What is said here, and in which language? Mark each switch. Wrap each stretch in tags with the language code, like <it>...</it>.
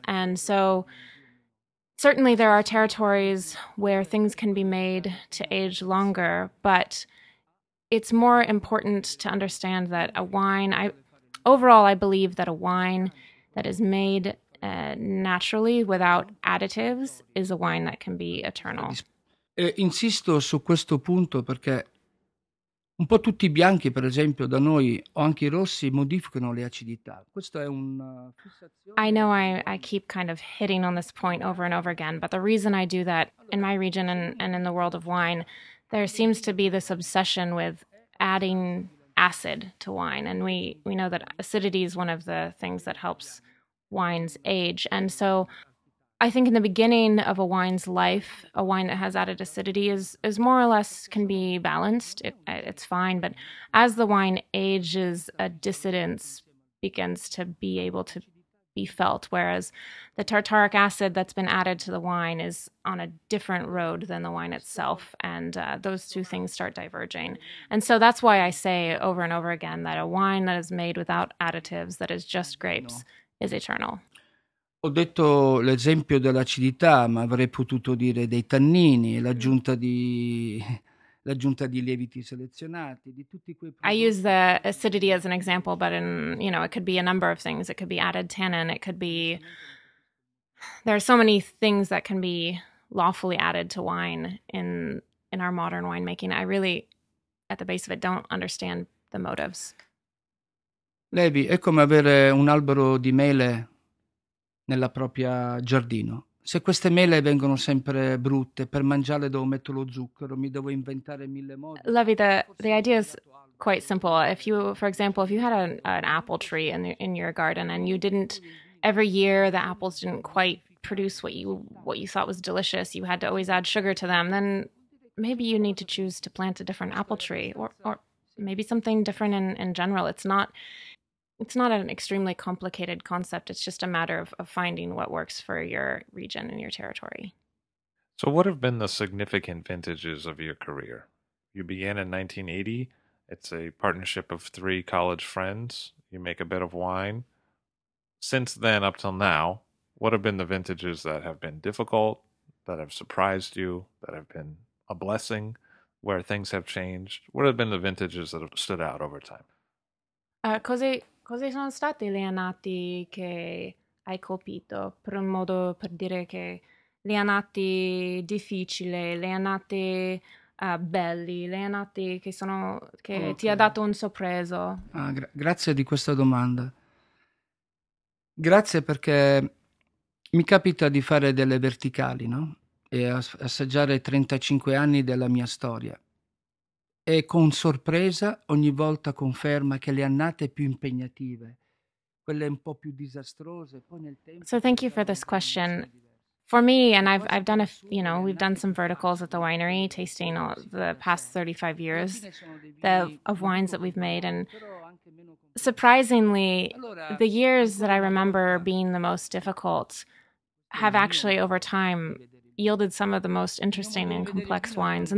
<en>And so certainly there are territories where things can be made to age longer, but it's more important to understand that a wine, I believe that a wine that is made naturally without additives is a wine that can be eternal.</en> <it>Insisto su questo punto perché un po' tutti i bianchi, per esempio, da noi, o anche i rossi, modificano le acidità. Questo è un</it> <en>I know I keep kind of hitting on this point over and over again, but the reason I do that in my region and in the world of wine, there seems to be this obsession with adding acid to wine, and we know that acidity is one of the things that helps wines age. And so I think in the beginning of a wine's life, a wine that has added acidity is more or less can be balanced. It's fine. But as the wine ages, a dissidence begins to be able to be felt, whereas the tartaric acid that's been added to the wine is on a different road than the wine itself. And those two things start diverging. And so that's why I say over and over again that a wine that is made without additives, that is just grapes, is eternal.</en> <it>Ho detto l'esempio dell'acidità, ma avrei potuto dire dei tannini, l'aggiunta di lieviti selezionati, di tutti quei prodotti.</it> <en>I use the acidity as an example, but in, you know, it could be a number of things. It could be added tannin, it could be, there are so many things that can be lawfully added to wine in our modern winemaking. I really, at the base of it, don't understand the motives.</en> <it>Levi, è come avere un albero di mele nella propria giardino. Se queste mele vengono sempre brutte, per mangiarle devo mettere lo zucchero, mi devo inventare mille modi.</it> <en>Levi, the idea is quite simple. If you, for example, if you had an apple tree in your garden and you didn't, every year the apples didn't quite produce what you thought was delicious, you had to always add sugar to them, then maybe you need to choose to plant a different apple tree or maybe something different in general. It's not an extremely complicated concept. It's just a matter of finding what works for your region and your territory. So what have been the significant vintages of your career? You began in 1980. It's a partnership of three college friends. You make a bit of wine. Since then, up till now, what have been the vintages that have been difficult, that have surprised you, that have been a blessing, where things have changed? What have been the vintages that have stood out over time?</en> <it>Cosa sono state le annate che hai colpito? Per un modo per dire che le annate difficili, le annate belli, le annate che ti ha dato un sorpreso. Ah, grazie di questa domanda. Grazie perché mi capita di fare delle verticali, no? E assaggiare 35 anni della mia storia. E con sorpresa ogni volta conferma che le annate più impegnative, quelle un po' più disastrose, poi nel tempo.</it> <en>So thank you for this question. For me, and I've done a, you know, we've done some verticals at the winery, tasting all the past 35 years of wines that we've made, and surprisingly, the years that I remember being the most difficult have actually over time yielded some of the most interesting and complex wines.</en>